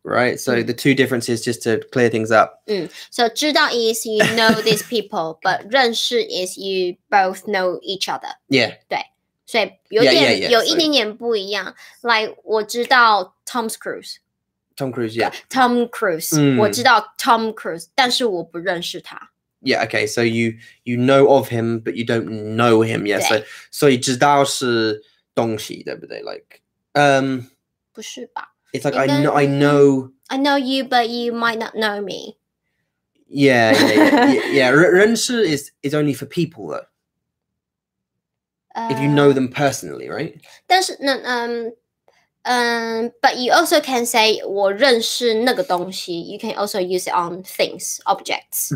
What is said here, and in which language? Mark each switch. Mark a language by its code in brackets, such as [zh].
[en] Right, so the two differences just to clear things up. So 知道 is you know these people, but 认识 is you both know each other. Yeah. [zh] 对。所以有点 有一点点不一样。 [en] Like [zh] 我知道 Tom's Cruise. [en] Tom Cruise, yeah. [zh] Tom Cruise.、我知道 Tom Cruise, 但是我不认识他。 [en] Yeah, okay, so you know of him, but you don't know him, yeah. [zh] 对。所以知道是东西，对不对 ? 不是吧。 [en] It's like, I know... I know you, but you might not know me. Yeah. 认识 is only for people, though. If you know them personally, right? [zh] 但是那 [en] but you also can say [zh] 我认识那个东西 [en] You can also use it on things, objects